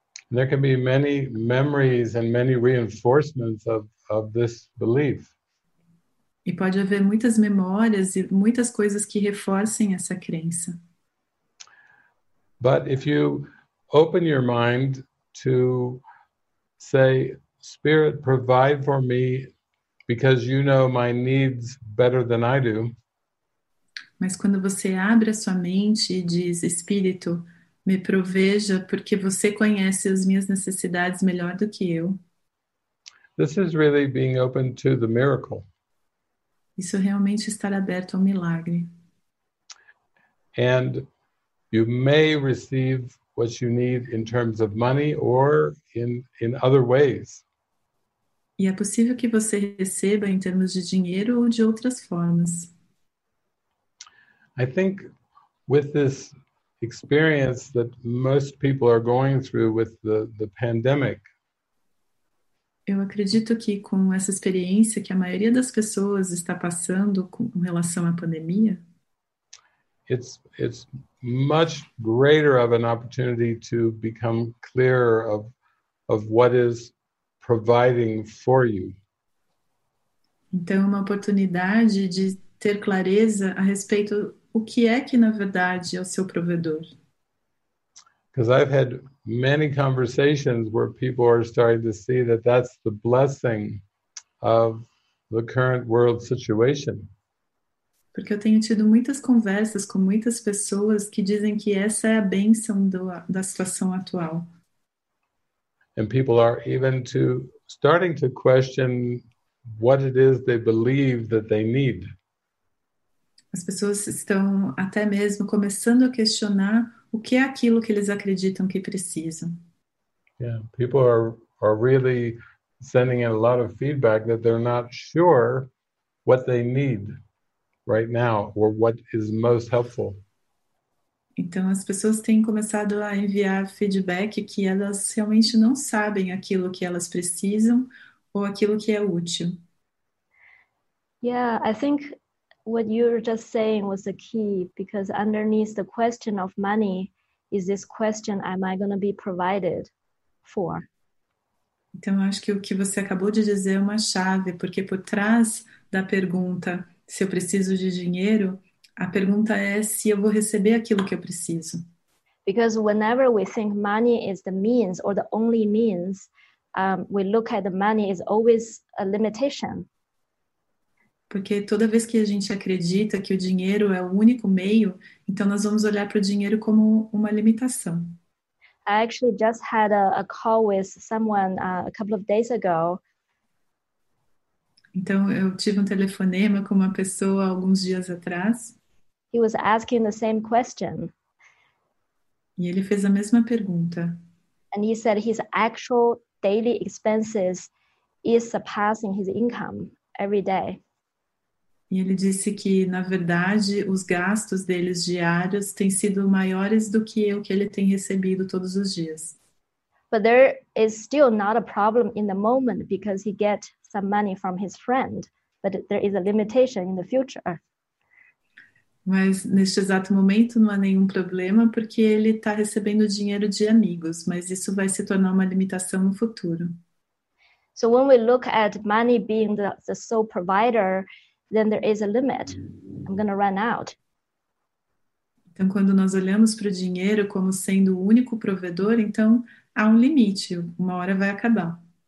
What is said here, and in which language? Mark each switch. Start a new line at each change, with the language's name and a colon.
English: There can be many memories and many reinforcements of this belief.
Portuguese: E pode haver muitas memórias e muitas coisas que reforcem essa crença.
English: But if you open your mind to say, Spirit, provide for me because you know my needs better than I do.
Portuguese: Mas quando você abre a sua mente e diz, Espírito, me proveja porque você conhece as minhas necessidades melhor do que eu.
English: This is really being open to the miracle.
Portuguese: Isso realmente estar aberto ao milagre.
English: And you may receive what you need in terms of money or in other ways.
Portuguese: E é possível que você receba em termos de dinheiro ou de outras formas.
English: I think with this experience that most people are going through with the pandemic,
Portuguese: eu acredito que com essa experiência que a maioria das pessoas está passando com relação à pandemia,
English: it's much greater of an opportunity to become clearer of what is providing for you.
Portuguese: Então, uma oportunidade de ter clareza a respeito o que é que, na verdade, é o seu provedor.
English: Because I've had many conversations where people are starting to see that that's the blessing of the current world situation.
Portuguese: Porque eu tenho tido muitas conversas com muitas pessoas que dizem que essa é a bênção da situação atual.
English: And people are even starting to question what it is they believe that they need.
Portuguese: As pessoas estão até mesmo começando a questionar o que é aquilo que eles acreditam que precisam.
English: Yeah, people are really sending in a lot of feedback that they're not sure what they need right now or what is most helpful.
Portuguese: Então, as pessoas têm começado a enviar feedback que elas realmente não sabem aquilo que elas precisam ou aquilo que é útil.
English: Yeah, I think what you were just saying was the key, because underneath the question of money is this question, am I going to be provided for?
Portuguese: Então, eu acho que o que você acabou de dizer é uma chave, porque por trás da pergunta se eu preciso de dinheiro, a pergunta é se eu vou receber aquilo que eu preciso.
English: Because whenever we think money is the means or the only means, we look at the money is always a limitation.
Portuguese: Porque toda vez que a gente acredita que o dinheiro é o único meio, então nós vamos olhar para o dinheiro como uma limitação.
English: I actually just had a call with someone a couple of days ago.
Portuguese: Então eu tive um telefonema com uma pessoa alguns dias atrás.
English: He was asking the same question.
Portuguese: E ele fez a mesma pergunta.
English: And he said his actual daily expenses is surpassing his income every day.
Portuguese: E ele disse que, na verdade, os gastos deles diários têm sido maiores do que o que ele tem recebido todos os dias.
English: But there is still not a problem in the moment because he gets some money from his friend. But there is a limitation in the future.
Portuguese: Mas neste exato momento não há nenhum problema porque ele está recebendo dinheiro de amigos. Mas isso vai se tornar uma limitação no futuro.
English: So when we look at money being the sole provider, then there is a limit. I'm going to run out.
Portuguese: Então, quando nós olhamos para o dinheiro como sendo o único provedor, então há um limite, uma hora vai acabar.